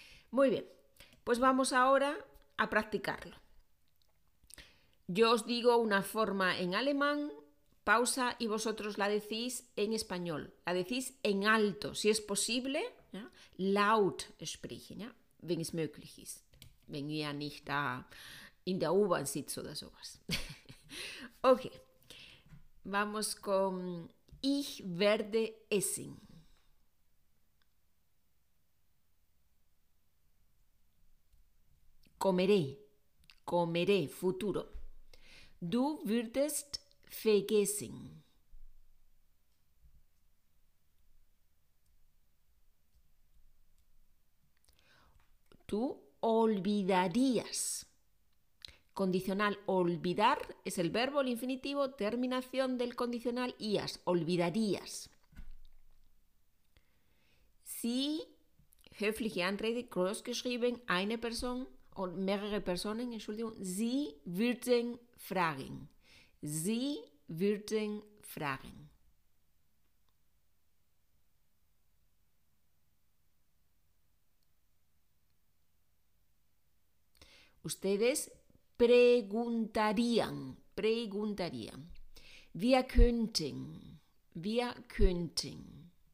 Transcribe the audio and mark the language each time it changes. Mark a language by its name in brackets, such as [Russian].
[Spanish] Muy bien, pues vamos ahora a practicarlo. Yo os digo una forma en alemán, pausa, y vosotros la decís en español. La decís en alto, si es posible. [German] ¿Ya? Laut sprechen, ¿ya? Wenn es möglich ist. Wenn ihr nicht da in der U-Bahn sitzt oder sowas. [Spanish] Ok. Vamos con [German] ich werde essen. [Spanish] Comeré. Comeré, futuro. [German] Du würdest vergessen. [Spanish] Tú olvidarías. Condicional olvidar es el verbo, el infinitivo, terminación del condicional ías, olvidarías. [German] Si, höfliche Anrede, großgeschrieben, eine Person, mehrere Personen, Entschuldigung, sie würden fragen. Sie würden fragen. [Spanish] Ustedes preguntarían, preguntarían. [German] Wir könnten, wir könnten.